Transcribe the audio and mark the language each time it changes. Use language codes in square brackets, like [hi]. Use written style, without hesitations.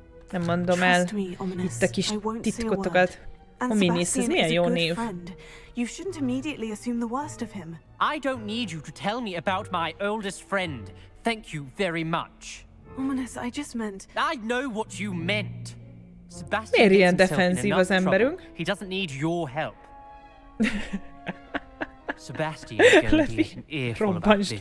[hu] Nem mondom el itt a kis titkotokat. Ominis, ez milyen jó név. [en] You shouldn't immediately assume the worst of him. I don't need you to tell me about my oldest friend. Thank you very much. Ominous, I just meant... I know what you meant. [hu] Sebastian miért ilyen defenzív az emberünk? [en] He doesn't need your help. Sebastian is going to be an earful about this.